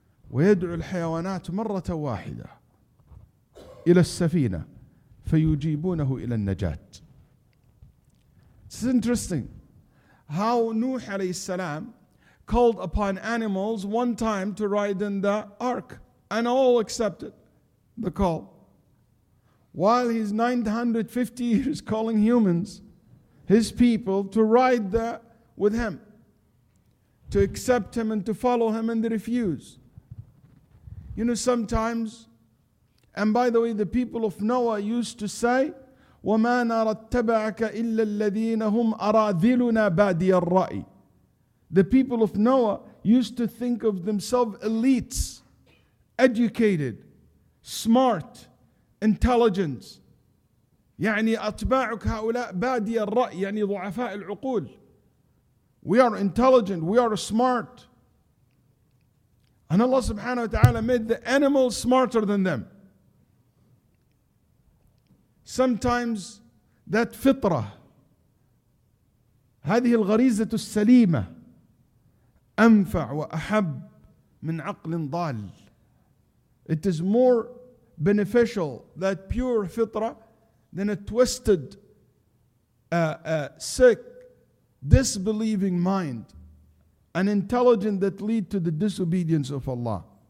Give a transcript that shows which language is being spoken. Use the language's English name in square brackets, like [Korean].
[Arabic] ويدعو الحيوانات مرة واحدة إلى السفينة فيجيبونه إلى النجاة. [English] It's interesting how Nuh [Arabic] عليه السلام [English] called upon animals one time to ride in the ark, and all accepted the call. While he's 950 years calling humans, his people, to ride there with him, to accept him and to follow him, and they refuse. You know, sometimes, and by the way, the people of Noah used to say, [Arabic] وَمَا نَرَتَّبَعَكَ إِلَّا الَّذِينَ هُمْ أَرَاذِلُنَا بَادِيَ الرَّأِي. [English] The people of Noah used to think of themselves elites, educated, smart, intelligent. [Arabic] يعني أتباعك هؤلاء بادي الرأي, يعني ضعفاء العقول. [English] We are intelligent, we are smart. And Allah subhanahu wa ta'ala made the animals smarter than them. Sometimes that fitrah, [Arabic] هذه الغريزة السليمة, أنفع وأحب من عقل ضال. [English] It is more beneficial, that pure fitrah, than a twisted, sick, disbelieving mind. An intelligence that lead to the disobedience of Allah.